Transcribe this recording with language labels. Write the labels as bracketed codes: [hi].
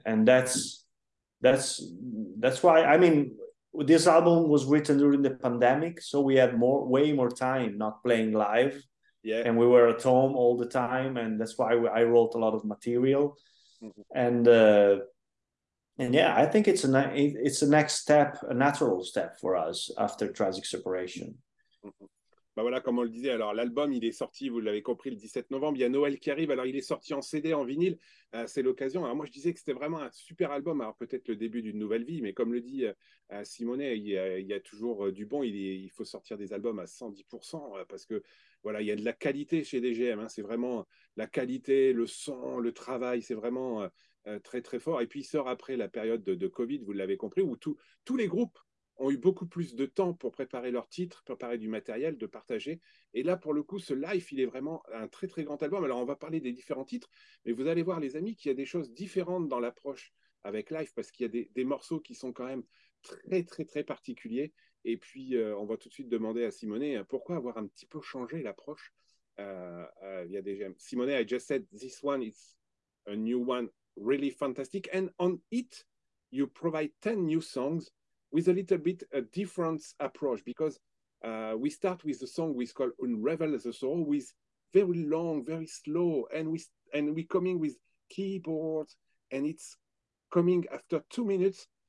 [en] And that's why, I mean, this album was written during the pandemic, so we had way more time not playing live. Yeah. And we were at home all the time, and that's why I wrote a lot of material. Mm-hmm. And yeah, I think it's a next step, a natural step for us after Tragic Separation. Mm-hmm. [fr] Ben voilà, comme on le disait, alors l'album, il est sorti, vous l'avez compris, le 17 novembre. Il y a Noël qui arrive. Alors, il est sorti en CD, en vinyle. C'est l'occasion. Alors, moi, je disais que c'était vraiment un super album. Alors, peut-être le début d'une nouvelle vie. Mais comme le dit Simonet, il y a toujours du bon. Il faut sortir des albums à 110% parce que, voilà, il y a de la qualité chez DGM. Hein, c'est vraiment la qualité, le son, le travail. C'est vraiment très, très fort. Et puis, il sort après la période de Covid, vous l'avez compris, où tous les groupes ont eu beaucoup plus de temps pour préparer leurs titres, préparer du matériel, de partager. Et là, pour le coup, ce live, il est vraiment un très, très grand album. Alors, on va parler des différents titres, mais vous allez voir, les amis, qu'il y a des choses différentes dans l'approche avec live, parce qu'il y a des morceaux qui sont quand même très, très, très particuliers. Et puis, on va tout de suite demander à Simonet, pourquoi avoir un petit peu changé l'approche via DGM. [en] Simonet, I just said, this one is a new one, really fantastic. And on it, you provide 10 new songs. With a little bit a different approach, because we start with the song we call "Unravel the Soul," with very long, very slow, and we coming with keyboards, and it's coming after 2 minutes.